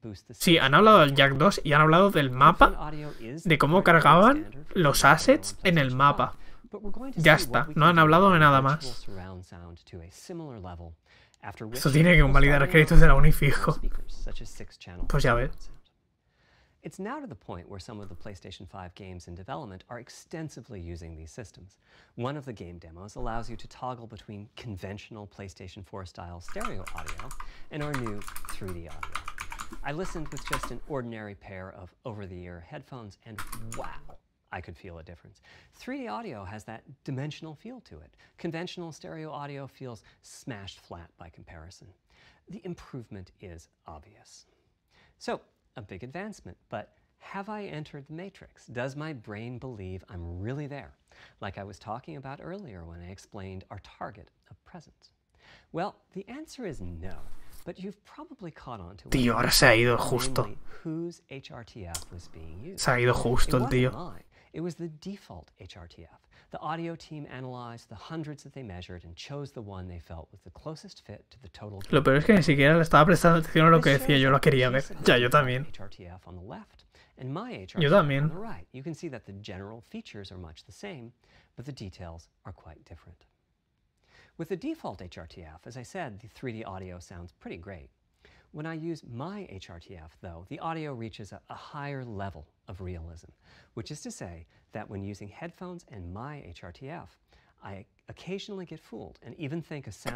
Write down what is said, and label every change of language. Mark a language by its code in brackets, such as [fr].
[es] Sí, han hablado del Jack 2 y han hablado del mapa, de cómo cargaban los assets en el mapa. Ya está, no han hablado de nada más. Esto tiene que convalidar créditos de la Uni, fijo. Pues ya ves. [en] It's now to the point where some of the PlayStation 5 games in development are extensively using these systems. One of the game demos allows you to toggle between conventional PlayStation 4 style stereo audio and our new 3D audio. I listened with just an ordinary pair of over-the-ear headphones and wow, I could feel a difference. 3D audio has that dimensional feel to it. Conventional stereo audio feels smashed flat by comparison. The improvement is obvious. So, a big advancement, but have I entered the matrix? Does my brain believe I'm really there? Like I was talking about earlier when I explained our target of presence. Well, the answer is no, but you've probably caught on to [es] it. Tío, ahora se ha ido justo. [en] Whose HRTF was being used? [es] Se ha ido justo el tío. [en] It was the default HRTF. The audio team analyzed the hundreds that they measured and chose the one they felt was the closest fit to the total. [es] Lo peor es que ni siquiera le estaba prestando atención a lo que decía, yo lo quería ver. Ya, yo también. [en] HRTF on the left and my [es] HRTF. Yo también. [en] On the right. You can see that the general features are much the same, but the details are quite different. With the default HRTF, as I said, the 3D audio sounds pretty great. When I use my HRTF, though, the audio reaches a higher level of realism, which is to say that when using headphones and my HRTF, I occasionally get fooled and even think a sound